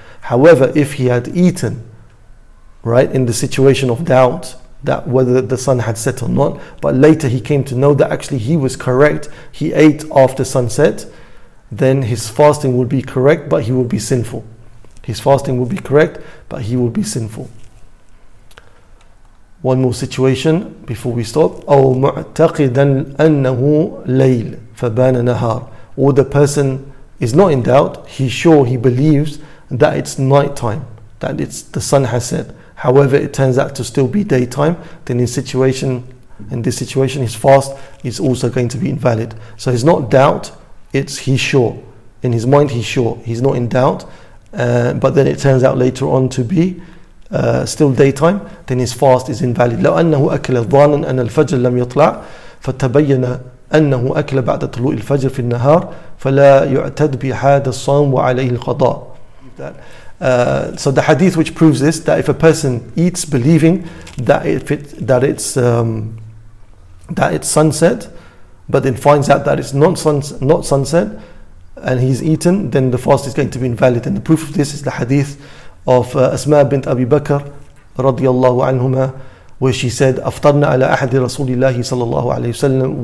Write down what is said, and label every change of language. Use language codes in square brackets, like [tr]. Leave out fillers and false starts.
[en] However, if he had eaten, right, in the situation of doubt, that whether the sun had set or not, but later he came to know that actually he was correct, he ate after sunset, then his fasting would be correct, but he would be sinful. His fasting would be correct, but he would be sinful. One more situation before we stop. [ar] أو معتقدا أنه ليل فبان نهار. [en] Or the person is not in doubt, he's sure, he believes that it's night time, that it's the sun has set. However, it turns out to still be daytime, then in this situation, his fast is also going to be invalid. So it's not doubt, it's he's sure. In his mind, he's sure. He's not in doubt. But then it turns out later on to be still daytime, then his fast is invalid. [ar] لو أنه أكل ظانًا أن الفجر لم يطلع فتبين أنه أكل بعد طلوع الفجر في النهار فلا يعتد بهذا الصوم وعليه القضاء. [en] So the hadith which proves this, that if a person eats believing that it's sunset, but then finds out that it's not sunset, and he's eaten, then the fast is going to be invalid. And the proof of this is the hadith of Asma bint Abi Bakr radiyallahu anhuma, where she said, [ar] "Aftarna ala ahdi Rasulillahi sallallahu alayhi wasallam."